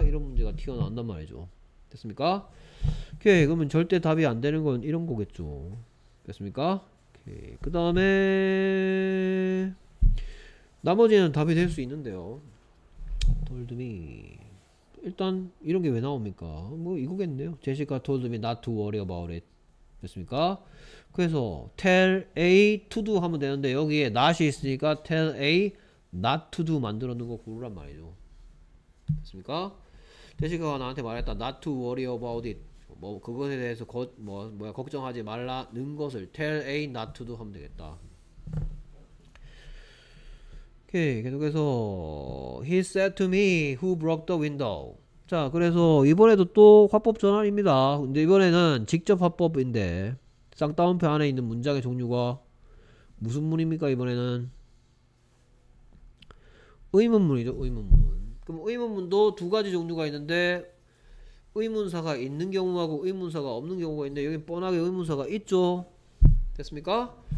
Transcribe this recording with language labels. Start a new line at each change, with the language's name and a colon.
Korean: 이런 문제가 튀어나온단 말이죠. 됐습니까? 오케이. 그러면 절대 답이 안 되는 건 이런 거겠죠. 됐습니까? 오케이. 그 다음에 나머지는 답이 될수 있는데요.
English: Told me.
Korean: 일단 이런 게왜 나옵니까? 뭐 이거겠네요.
English: 제시카 told me not to worry about it.
Korean: 됐습니까? 그래서
English: tell A to do
Korean: 하면 되는데 여기에 not이 있으니까
English: tell A not to do
Korean: 만들어 놓은 거 고르란 말이죠. 됐습니까? 제시카가 나한테 말했다.
English: Not to worry about it.
Korean: 뭐 그것에 대해서 걱정하지 말라는 것을
English: tell A not to do
Korean: 하면 되겠다. 오케이. 계속해서
English: he said to me who broke the window.
Korean: 자, 그래서 이번에도 또 화법 전환입니다. 근데 이번에는 직접 화법인데 쌍따옴표 안에 있는 문장의 종류가 무슨 문입니까? 이번에는 의문문이죠. 의문문. 그럼 의문문도 두 가지 종류가 있는데 의문사가 있는 경우하고 의문사가 없는 경우가 있는데 여긴 뻔하게 의문사가 있죠. 됐습니까?